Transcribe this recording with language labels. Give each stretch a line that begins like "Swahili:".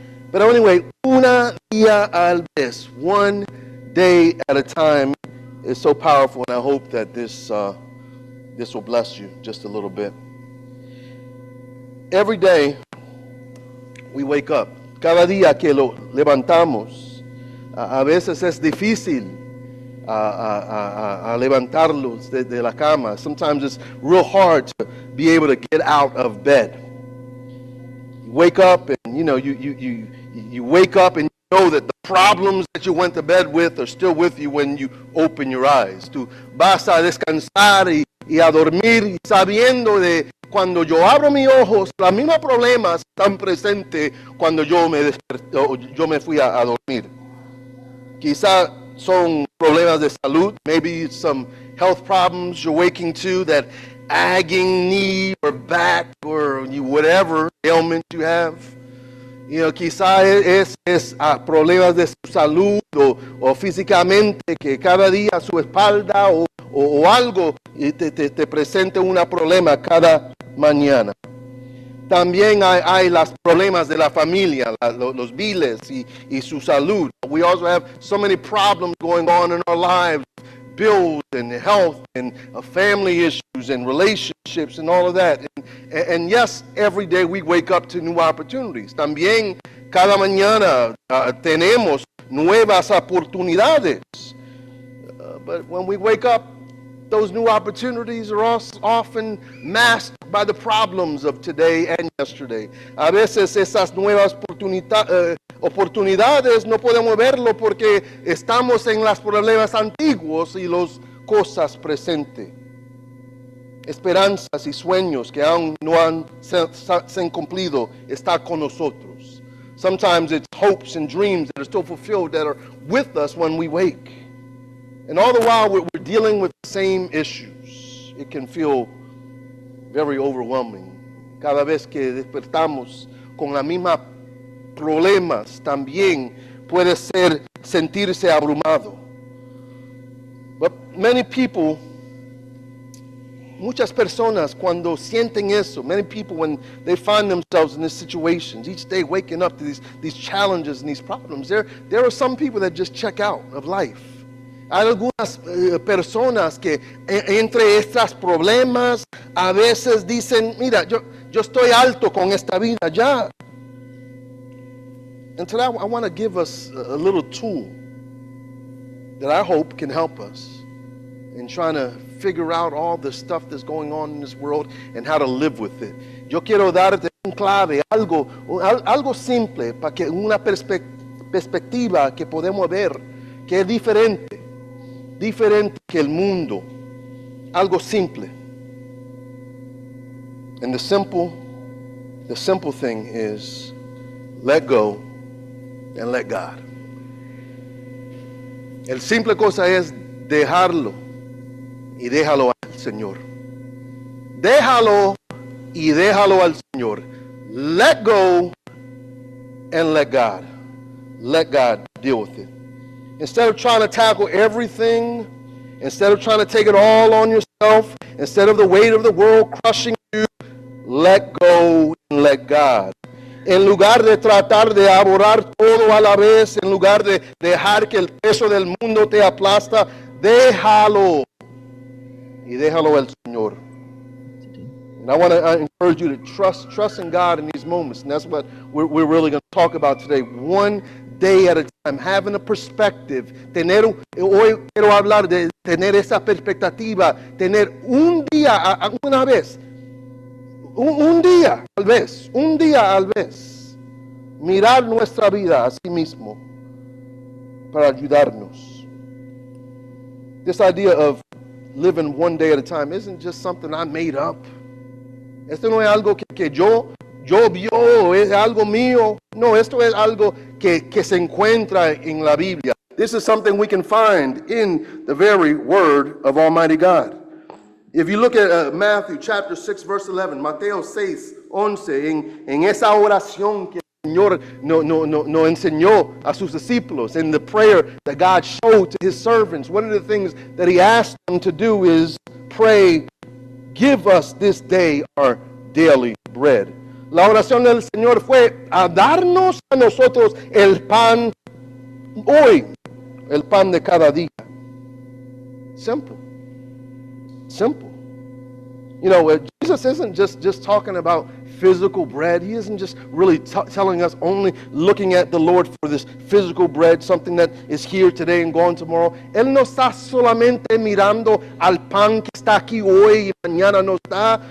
English: But anyway,
Spanish: una día al vez,
English: one day at a time is so powerful, and I hope that this will bless you just a little bit. Every day we wake up.
Spanish: Cada día que lo levantamos, a veces es difícil a levantarlos de la cama.
English: Sometimes it's real hard to be able to get out of bed. You wake up and you know you wake up and you know that the problems that you went to bed with are still with you when you open your eyes.
Spanish: Tú vas a descansar y a dormir sabiendo de cuando yo abro mis ojos, los mismos problemas están presentes cuando yo me fui a dormir. Quizás son problemas de salud,
English: maybe some health problems you're waking to that agging knee or back or whatever ailment you have. You know,
Spanish: quizá es a problemas de su salud o físicamente, que cada día su espalda o algo te presente un problema cada mañana. También hay los problemas de la familia, los biles y su salud.
English: We also have so many problems going on in our lives, bills and health and family issues and relationships and all of that. And yes, every day we wake up to new opportunities.
Spanish: También cada mañana tenemos nuevas oportunidades.
English: But when we wake up, those new opportunities are often masked by the problems of today and yesterday.
Spanish: A veces esas nuevas oportunidades no podemos verlo porque estamos en los problemas antiguos y las cosas presentes. Esperanzas y sueños que aún no han sido cumplidos están con nosotros.
English: Sometimes it's hopes and dreams that are still fulfilled that are with us when we wake. And all the while, we're dealing with the same issues. It can feel very overwhelming.
Spanish: Cada vez que despertamos con los mismos problemas, también puede ser sentirse abrumado.
English: But many people,
Spanish: muchas personas, cuando sienten eso,
English: many people, when they find themselves in these situations, each day waking up to these challenges and these problems, there are some people that just check out of life.
Spanish: Hay algunas personas que entre estos problemas a veces dicen, mira, yo estoy alto con esta vida ya.
English: And today I want to give us a little tool that I hope can help us in trying to figure out all the stuff that's going on in this world and how to live with it.
Spanish: Yo quiero darte un clave, algo simple, para que una perspectiva que podemos ver que es diferente. Diferente que el mundo. Algo simple.
English: And the simple thing is, let go and let God.
Spanish: El simple cosa es dejarlo y déjalo al Señor. Déjalo y déjalo al Señor.
English: Let go and let God. Let God deal with it. Instead of trying to tackle everything, instead of trying to take it all on yourself, instead of the weight of the world crushing you, let go and let God.
Spanish: En lugar de tratar de aborrar todo a la vez, en lugar de dejar que el peso del mundo te aplasta, déjalo y déjalo al Señor.
English: And I want to encourage you to trust in God in these moments. And that's what we're really going to talk about today. One day at a time, having a perspective.
Spanish: Hoy quiero hablar de tener esa perspectiva. Tener un día, una vez. Un día al vez. Mirar nuestra vida a sí mismo para ayudarnos.
English: This idea of living one day at a time isn't just something I made up.
Spanish: Esto no es algo que yo vio, es algo mío. No, esto es algo que se encuentra en la Biblia.
English: This is something we can find in the very word of Almighty God. If you look at Matthew chapter 6, verse 11,
Spanish: Mateo 6, 11, en esa oración que el Señor no enseñó a sus discípulos,
English: in the prayer that God showed to his servants, one of the things that he asked them to do is pray, give us this day our daily bread.
Spanish: La oración del Señor fue a darnos a nosotros el pan hoy, el pan de cada día.
English: Simple. You know, Jesus isn't just talking about physical bread. He isn't just really telling us only looking at the Lord for this physical bread, something that is here today and gone tomorrow.
Spanish: Él no está solamente mirando al pan que está aquí hoy y mañana no está.